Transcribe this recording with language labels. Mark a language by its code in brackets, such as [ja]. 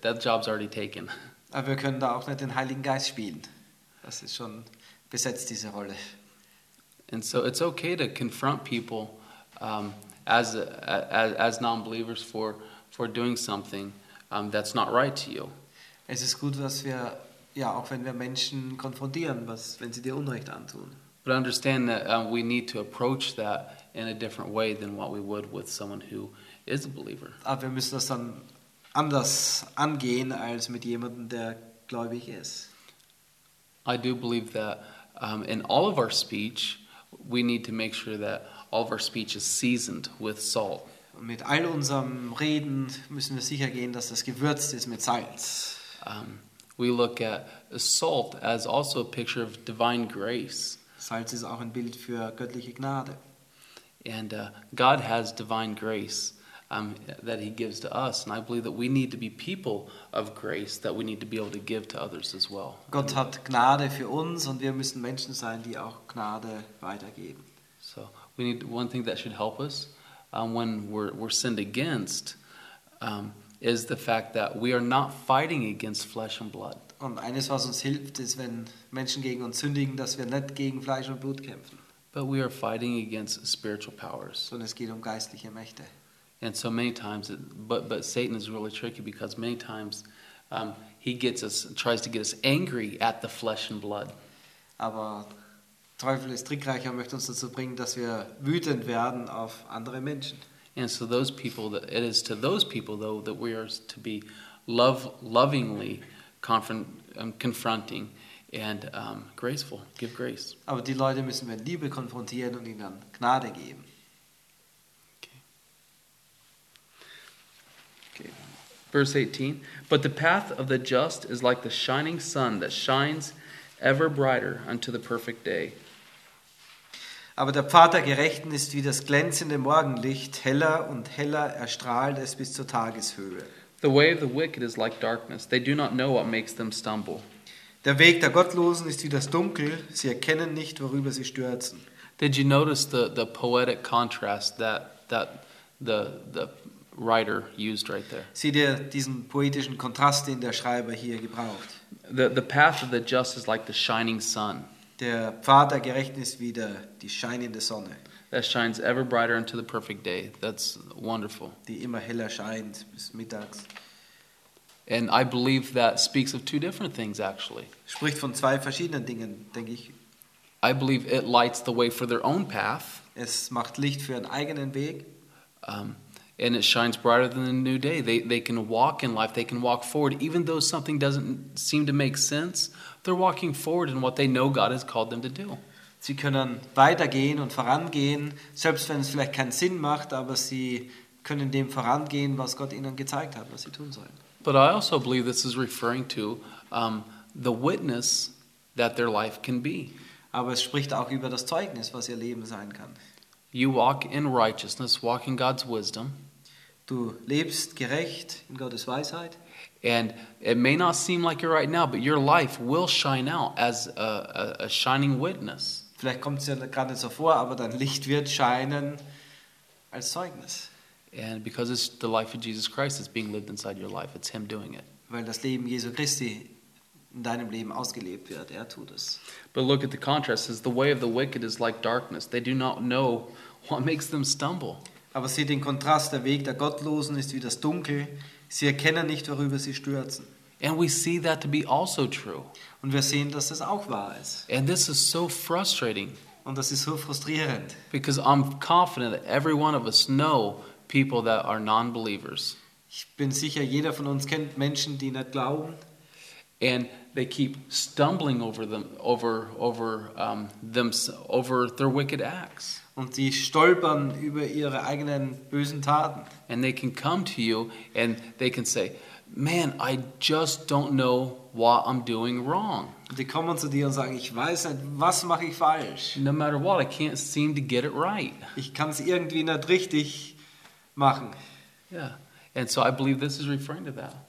[en] That job's already taken. [de] Aber wir können da auch nicht den Heiligen Geist spielen. Das ist schon besetzt, diese Rolle. [en] And so it's okay to confront people as non-believers for doing something that's not right to you. [de] Es ist gut, dass wir ja auch wenn wir Menschen konfrontieren, was wenn sie dir Unrecht antun. [en] But understand that we need to approach that in a different way than what we would with someone who is a believer. [de] Aber wir müssen das dann anders angehen als mit jemandem, der gläubig ist. [en] I do believe that in all of our speech, we need to make sure that all of our speech is seasoned with salt. [de] Mit all unserem Reden müssen wir sicher gehen, dass das gewürzt ist mit Salz. [en] We look at salt as also a picture of divine grace. [de] Salz ist auch ein Bild für göttliche Gnade. [en] And God has divine grace that he gives to us. And I believe that we need to be people of grace that we need to be able to give to others as well. [de] Gott hat Gnade für uns und wir müssen Menschen sein, die auch Gnade weitergeben. [en] So we need one thing that should help us when we're sinned against is the fact that we are not fighting against flesh and blood. [de] Und eines, was uns hilft, ist, wenn Menschen gegen uns sündigen, dass wir nicht gegen Fleisch und Blut kämpfen. [en] But we are fighting against spiritual powers. [de] Und es geht um geistliche Mächte. [en] And so many times, but Satan is really tricky because many times he gets us, tries to get us angry at the flesh and blood. [de] Aber Teufel ist trickreicher und möchte uns dazu bringen, dass wir wütend werden auf andere Menschen. [en] And so those people, that it is to those people though that we are to be lovingly confronting and graceful, give grace. [de] Aber die Leute müssen wir Liebe konfrontieren und ihnen dann Gnade geben. [en] Verse 18, but the path of the just is like the shining sun that shines ever brighter unto the perfect day. [de] Aber der Pfad der Gerechten ist wie das glänzende Morgenlicht, heller und heller erstrahlt es bis zur Tageshöhe. [en] The way of the wicked is like darkness. They do not know what makes them stumble. [de] Der Weg der Gottlosen ist wie das Dunkel. Sie erkennen nicht, worüber sie stürzen. [en] Did you notice the poetic contrast that the writer used right there. [de] Sieh dir diesen poetischen Kontrast, den der Schreiber hier gebraucht. [en] The path of the just is like the shining sun. [de] Der Pfad der Gerechten ist wie die scheinende Sonne. [en] That shines ever brighter unto the perfect day. That's wonderful. [de] Die immer heller scheint bis mittags. [en] And I believe that speaks of two different things actually. [de] Spricht von zwei verschiedenen Dingen, denke ich. [en] I believe it lights the way for their own path. [de] Es macht Licht für ihren eigenen Weg. [en] And it shines brighter than the new day. They can walk in life. They can walk forward, even though something doesn't seem to make sense. They're walking forward in what they know God has called them to do. [de] Sie können weitergehen und vorangehen, selbst wenn es vielleicht keinen Sinn macht, aber sie können dem vorangehen, was Gott ihnen gezeigt hat, was sie tun sollen. [en] But I also believe this is referring to the witness that their life can be. [de] Aber es spricht auch über das Zeugnis, was ihr Leben sein kann. [en] You walk in righteousness, walk in God's wisdom. [de] Du lebst gerecht in Gottes Weisheit. [en] And it may not seem like it right now, but your life will shine out as a shining witness. [de] Vielleicht kommt es ja gerade nicht so vor, aber dein Licht wird scheinen als Zeugnis. [en] And because it's the life of Jesus Christ is being lived inside your life, it's Him doing it. [de] Weil das Leben Jesu Christi in deinem Leben ausgelebt wird, tut es. [en] But look at the contrast. Says the way of the wicked is like darkness. They do not know what makes them stumble. [de] Aber sieh den Kontrast. Der Weg der Gottlosen ist wie das Dunkel. Sie erkennen nicht, worüber sie stürzen. [en] And we see that to be also true. [de] Und wir sehen, dass das auch wahr ist. [en] And this is so frustrating. [de] Und das ist so frustrierend. [en] Because I'm confident that every one of us know people that are non-believers. [de] Ich bin sicher, jeder von uns kennt Menschen, die nicht glauben. [en] And they keep stumbling over their wicked acts. [de] Und sie stolpern über ihre eigenen bösen Taten. [en] And they can come to you and they can say, "Man, I just don't know what I'm doing wrong." [de] Und die kommen zu dir und sagen, ich weiß nicht, was mache ich falsch. [en] No matter what, I can't seem to get it right. [de] Ich kann es irgendwie nicht richtig machen. [en] Yeah, and so I believe this is referring to that.